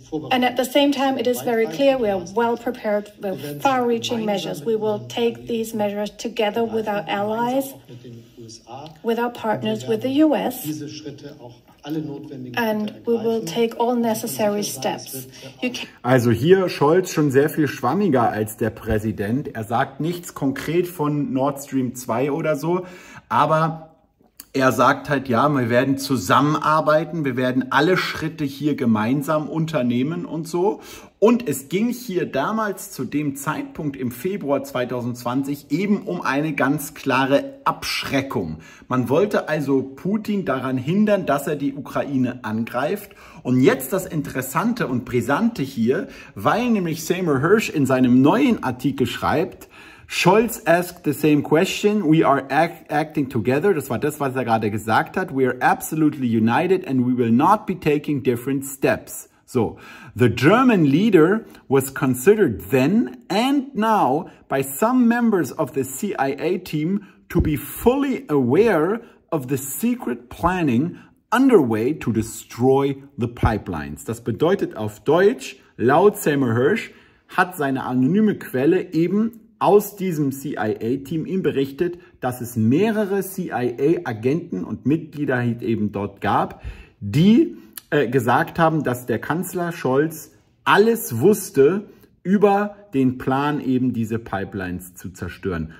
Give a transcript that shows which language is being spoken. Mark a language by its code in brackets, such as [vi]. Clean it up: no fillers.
[en] And at the same time, it is very clear we are well prepared with far-reaching measures. We will take these measures together with our allies, with our partners, with the U.S., and we will take all necessary steps. [de] Also hier Scholz schon sehr viel schwammiger als der Präsident. Er sagt nichts konkret von Nord Stream 2 oder so, aber er sagt halt, ja, wir werden zusammenarbeiten, wir werden alle Schritte hier gemeinsam unternehmen und so. Und es ging hier damals zu dem Zeitpunkt im Februar 2020 eben um eine ganz klare Abschreckung. Man wollte also Putin daran hindern, dass er die Ukraine angreift. Und jetzt das Interessante und Brisante hier, weil nämlich Seymour Hersh in seinem neuen Artikel schreibt, Scholz [en] asked the same question, we are acting together, [de] das war das, was er gerade gesagt hat, [en] we are absolutely united and we will not be taking different steps. So, the German leader was considered then and now by some members of the CIA team to be fully aware of the secret planning underway to destroy the pipelines. [de] Das bedeutet auf Deutsch, laut Seymour Hersh hat seine anonyme Quelle eben aus diesem CIA-Team ihm berichtet, dass es mehrere CIA-Agenten und Mitglieder eben dort gab, die gesagt haben, dass der Kanzler Scholz alles wusste über den Plan, eben diese Pipelines zu zerstören.